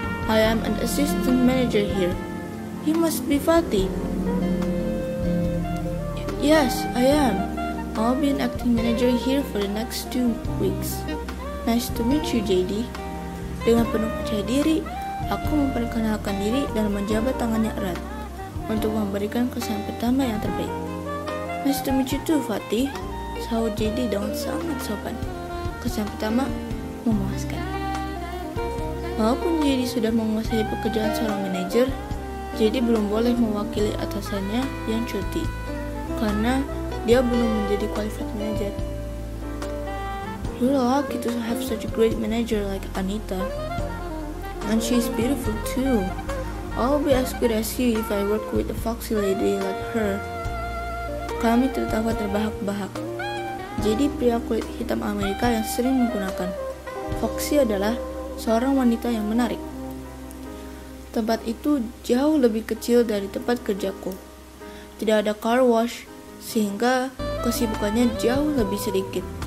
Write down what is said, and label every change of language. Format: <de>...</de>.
<en>I am an assistant manager here. You must be Fatih." "Yes, I am. I'll be an acting manager here for the next 2 weeks. Nice to meet you, JD."</en> <id>Dengan penuh percaya diri, aku memperkenalkan diri dan menjabat tangannya erat untuk memberikan kesan pertama yang terbaik.</id> <en>"Nice to meet you too, Fatih,"</en> <id>sahut JD dengan sangat sopan. Kesan pertama memuaskan. Walaupun JD sudah menguasai pekerjaan seorang manajer, JD belum boleh mewakili atasannya yang cuti karena dia belum menjadi qualified manager.</id> <en>"You're lucky to have such a great manager like Anita. And she's beautiful too. I'll be as good as you if I work with a foxy lady like her."</en> <id>Kami tertawa terbahak-bahak. Jadi pria kulit hitam Amerika yang sering menggunakan foxy adalah seorang wanita yang menarik. Tempat itu jauh lebih kecil dari tempat kerjaku. Tidak ada car wash, sehingga kesibukannya jauh lebih sedikit.</id>